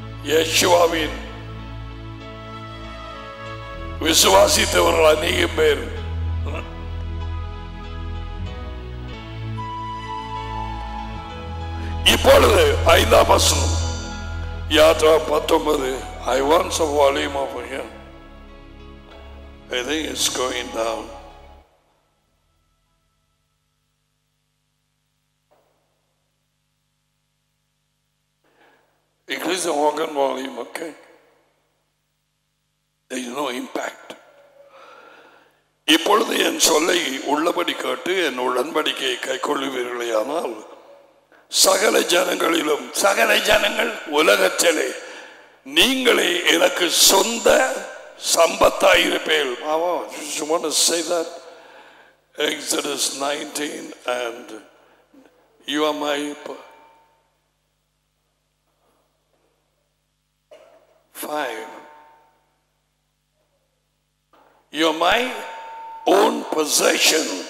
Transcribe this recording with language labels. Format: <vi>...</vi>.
<ta>யேசுவாவின் விசுவாசித்தவர்கள் அநேக பேர் இப்பொழுது 5வது வசனம் Yatra 19.</ta> <en>I want some volume over here. I think it's going down. Increase the organ volume, okay? There is no impact.</en> <ta>இப்பொழுது என் சொல்லை உள்ளபடி கேட்டு என் உடன்படிக்கையை கைக்கொள்ளுவீர்களே ஆனால் சகல ஜனங்களிலும் சகல ஜனங்கள் உலகத்திலே நீங்களே எனக்கு சொந்த சம்பத்தாயிருப்பேன்.</ta> <en>ஆமா, you want to say that? Exodus 19 and you are my five. You are my own possession.</en>